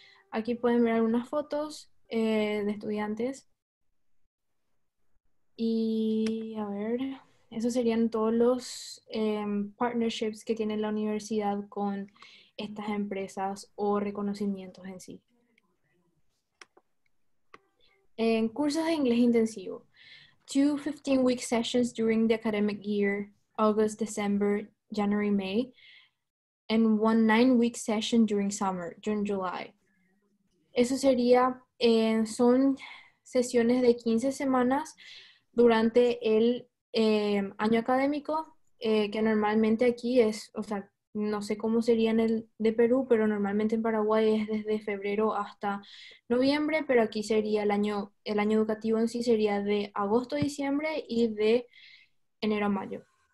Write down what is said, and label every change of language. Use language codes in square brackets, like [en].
[es] Aquí pueden ver algunas fotos de estudiantes. Y a ver, esos serían todos los partnerships que tiene la universidad con estas empresas o reconocimientos en sí. En cursos de inglés intensivo. [en] 2 15-week sessions during the academic year, August, December, January, May. And 1 9-week session during summer, June, July. [es] Eso sería, son sesiones de 15 semanas durante el año académico, que normalmente aquí es, o sea, no sé cómo sería en el de Perú, pero normalmente en Paraguay es desde febrero hasta noviembre, pero aquí sería el año educativo en sí sería de agosto, diciembre y de enero a mayo.